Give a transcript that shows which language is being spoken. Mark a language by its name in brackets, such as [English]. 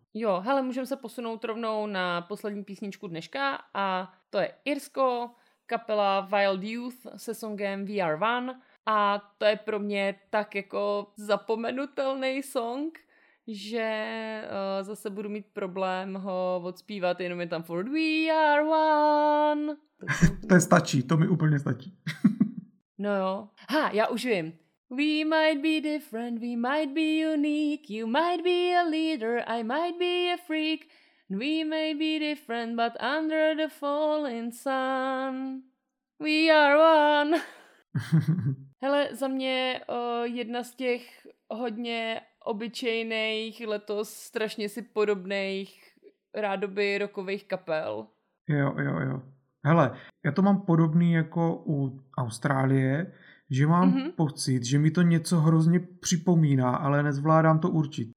[Czech] Jo, hele, můžeme se posunout rovnou na poslední písničku dneška a to je Irsko, kapela Wild Youth se songem VR One a to je pro mě tak jako zapomenutelný song, že zase budu mít problém ho odspívat, jenom je tam furt [English] We are one. [Czech] To stačí, to mi úplně stačí. No jo. Ha, já už vím. [English] We might be different, we might be unique, you might be a leader, I might be a freak, we may be different, but under the falling sun, we are one. [Czech] Hele, za mě jedna z těch hodně obyčejných, letos strašně si podobných rádoby rockových kapel. Jo. Hele, já to mám podobný jako u Austrálie, že mám pocit, že mi to něco hrozně připomíná, ale nezvládám to určit.